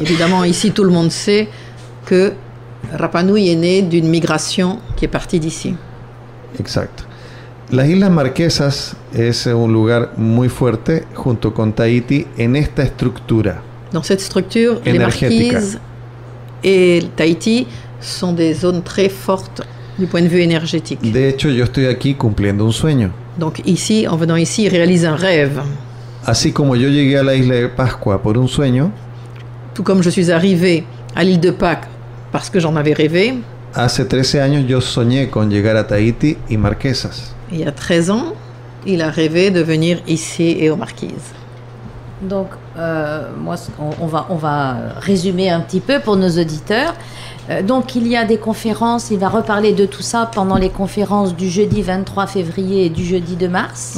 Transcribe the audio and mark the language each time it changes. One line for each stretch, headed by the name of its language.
French: Évidemment, ici tout le monde sait que Rapa Nui est né d'une migration qui est partie d'ici.
Spanish: Exacto. Las Islas Marquesas es un lugar muy fuerte junto con Tahiti en esta estructura.
French: Dans cette structure, énergétique. Les Marquises et Tahiti sont des zones très fortes du point de vue énergétique.
Spanish: De hecho, yo estoy aquí cumpliendo un sueño.
French: Donc ici, en venant ici, réalise un rêve.
Spanish: Así como yo llegué a la isla de Pascua por un sueño.
French: Tout comme je suis arrivé à l'île de Pâques parce que j'en avais rêvé.
Spanish: Hace 13 años yo soñé con llegar a Tahiti y Marquesas.
French: Il y a 13 ans, il a rêvé de venir ici et aux Marquises. Donc, moi, on va résumer un petit peu pour nos auditeurs. Donc, il y a des conférences, il va reparler de tout ça pendant les conférences du jeudi 23 février et du jeudi 2 mars.